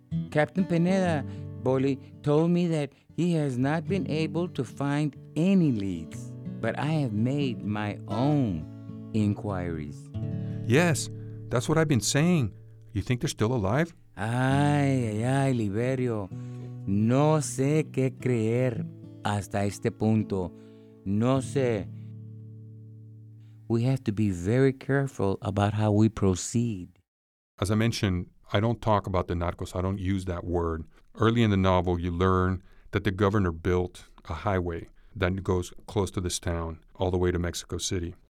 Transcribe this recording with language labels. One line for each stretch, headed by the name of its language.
English: Captain Pineda, Boli, told me that he has not been able to find any leads, but I have made my own inquiries. Yes, that's what I've been saying. You think they're still alive? Ay, ay, ay, Liberio.
Spanish: No sé qué creer hasta este punto. No sé.
English: We have to be very careful about how we proceed. As I mentioned, I don't talk about the narcos. I don't use that word. Early in the novel, you learn that the governor built a highway that goes close to this town, all the way to Mexico City.